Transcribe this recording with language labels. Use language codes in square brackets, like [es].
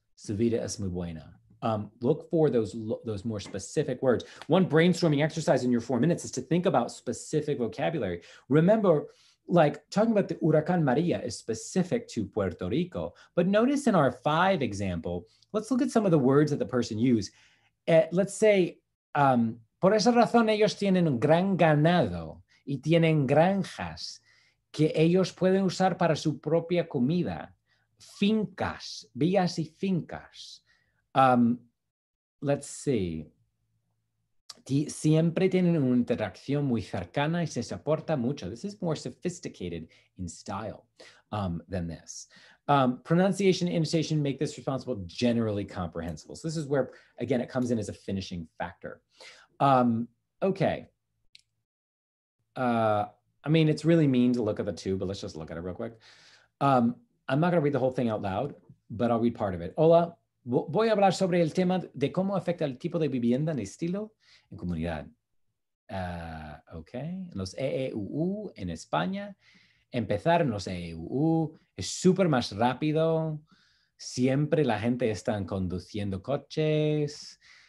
[es] Su vida es muy buena. [en] Look for those more specific words. One brainstorming exercise in your 4 minutes is to think about specific vocabulary. Remember, like talking about the Huracan Maria is specific to Puerto Rico, but notice in our 5 example, let's look at some of the words that the person used. Let's say, [es] por esa razón ellos tienen un gran ganado y tienen granjas que ellos pueden usar para su propia comida, fincas, villas y fincas. [en] Let's see. [es] Siempre tienen una interacción muy cercana y se soporta mucho. [en] This is more sophisticated in style than this. Pronunciation and intonation make this responsible generally comprehensible. So this is where, again, it comes in as a finishing factor. Okay. I mean, it's really mean to look at the 2, but let's just look at it real quick. I'm not going to read the whole thing out loud, but I'll read part of it. [es] Hola. Voy a hablar sobre el tema de cómo afecta el tipo de vivienda en estilo en comunidad. Okay. Los EEUU en España. Empezar en los EEUU es súper más rápido. Siempre la gente está conduciendo coches.